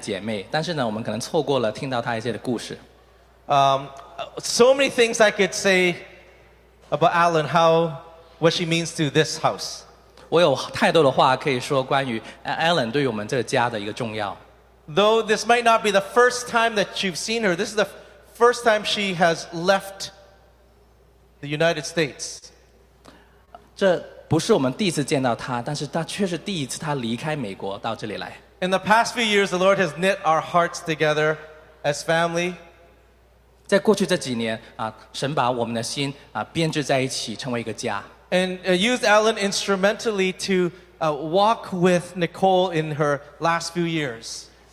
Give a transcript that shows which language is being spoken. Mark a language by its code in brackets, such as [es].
[zh] 我们已经欢迎了一个我们很亲爱的姐妹，但是呢，我们可能错过了听到她一些的故事。 [en] So many things I could say about Alan, how what she means to this house. [zh] 我有太多的话可以说关于 Alan 对于我们这个家的一个重要。 [en] Though this might not be the first time that you've seen her, this is the first time she has left the United States. [zh] 这不是我们第一次见到她，但是她却是第一次她离开美国到这里来。 [en] In the past few years, the Lord has knit our hearts together as family. [zh] 在过去这几年，神把我们的心编织在一起，成为一个家。 [en] And used Alan instrumentally to walk with Nicole in her last few years.